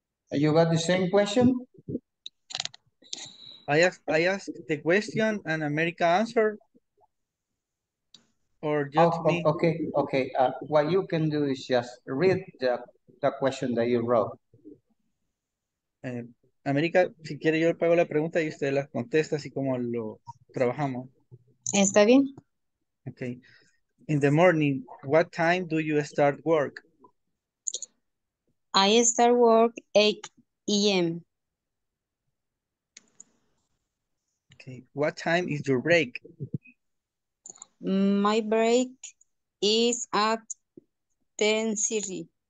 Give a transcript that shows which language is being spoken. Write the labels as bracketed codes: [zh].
[en] You got the same question? I asked the question and America answered or just me? Okay. What you can do is just read the question that you wrote. [es] América, si quiere yo le pago la pregunta y usted la contesta así como lo trabajamos. Está bien. Okay. [en] In the morning, what time do you start work? I start work 8 a.m. Okay. What time is your break? My break is at 10:30.